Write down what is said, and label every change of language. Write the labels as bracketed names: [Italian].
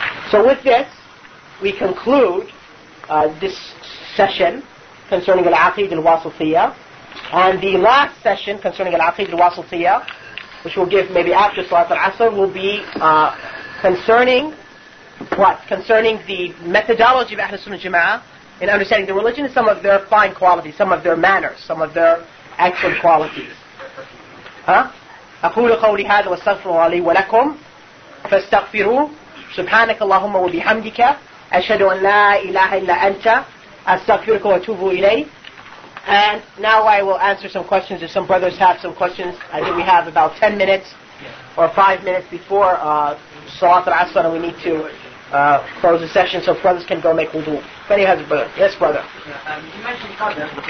[English] So with this, we conclude this session concerning al-Aqid al-Wasitiyah, and the last session concerning al-Aqid al-Wasitiyah, which we'll give maybe after Salat al-Asr, will be concerning what? Concerning the methodology of Ahlus Sunnah Jama'ah in understanding the religion and some of their fine qualities, some of their manners, some of their excellent qualities. [Arabic] أقول قولي هذا واستغفر الله لي ولكم فاستغفروه سبحانك اللهم وبحمدك أشهد أن لا إله إلا أنت أستغفرك وأتوب إليه. [English] And now I will answer some questions. If some brothers have some questions, I think we have about 10 minutes or 5 minutes before Salat al-Asr, and we need to close the session so brothers can go make wudu. If any has a brother. Yes, brother. You mentioned Qadr.